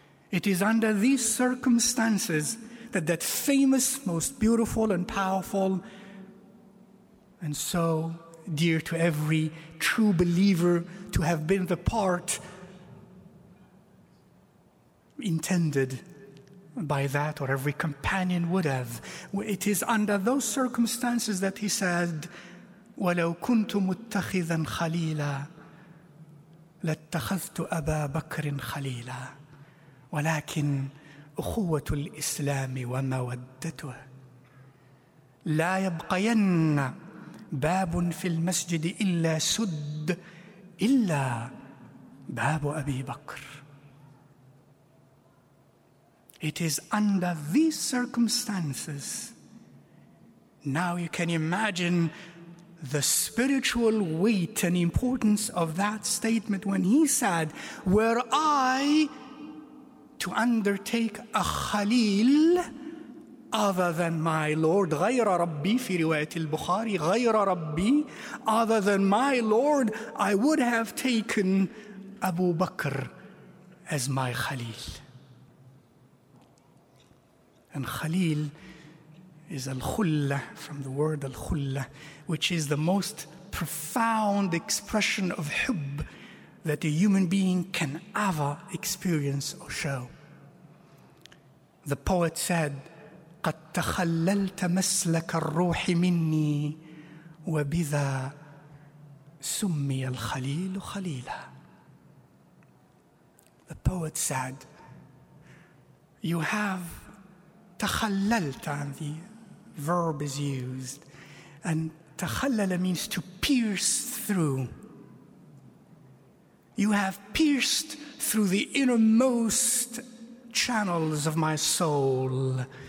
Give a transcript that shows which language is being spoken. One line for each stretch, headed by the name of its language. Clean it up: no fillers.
English: It is under these circumstances that that famous, most beautiful and powerful and so dear to every true believer to have been the part intended by that, or every companion would have. It is under those circumstances that he said,
Arabic: وَلَوْ كُنْتُ مُتَّخِذًا خَلِيلًا لَاتَّخَذْتُ أَبَا بَكْرٍ خَلِيلًا وَلَكِنْ أُخُوَّةُ الْإِسْلَامِ وَمَوَدَّتُهُ لَا يَبْقَيَنَّ بَابٌ فِي الْمَسْجِدِ إِلَّا سُدْ إِلَّا بَابُ أَبِي بَكْرٍ.
English: It is under these circumstances. Now you can imagine the spiritual weight and importance of that statement when he said, were I to undertake a khalil other than my Lord,
Arabic: غَيْرَ رَبِّي فِي رِوَيَةِ الْبُخَارِي غَيْرَ رَبِّي,
English: other than my Lord, I would have taken Abu Bakr as my khalil. And Khalil is al-khullah, from the word al-khullah, which is the most profound expression of hubb that a human being can ever experience or show. The poet said,
Arabic: قَدْ تَخَلَّلْتَ مَسْلَكَ الرُّوحِ مِنِّي وَبِذَا سُمِّيَ الْخَلِيلُ خَلِيلًا.
English: The poet said, you have تَخَلَّلْتَ, and the verb is used. And تَخَلَّلَ means to pierce through. You have pierced through the innermost channels of my soul.